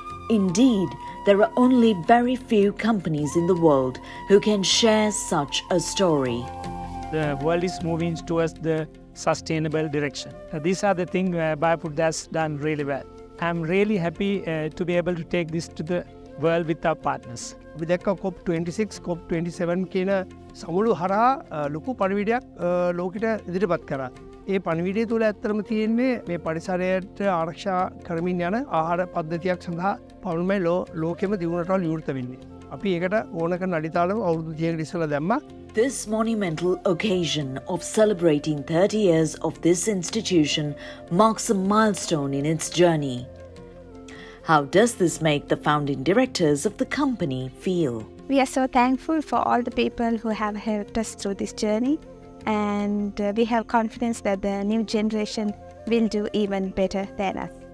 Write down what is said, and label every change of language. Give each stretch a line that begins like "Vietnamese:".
English: Indeed, there are only very few companies in the world who can share such a story. The world is moving towards the sustainable direction. These are the things Biofoods has done really well. I'm really happy to be able to take this to the world with our partners. With the
Sinhala: COP26, COP27, සමුළු හරහා ලොකු පණිවිඩයක් ලෝකෙට ඉදිරිපත් කරා. ඒ පණිවිඩය තුළ ඇත්තම තියෙන්නේ මේ පරිසරයට ආරක්ෂා කරමින් යන ආහාර පද්ධතියක් සඳහා පවුල්මය ලෝකෙම දියුණුවටවල විවෘත වෙන්නේ. අපි ඒකට ඕන කරන අඩිතාලම අවුරුදු 30කට ඉස්සලා දැම්මා.
English: This monumental occasion of celebrating 30 years of this institution marks a milestone in its journey. How does this make the founding directors of the company feel? We are so thankful for all the people who have helped us through this journey, and we have confidence that the new generation will do even better than us.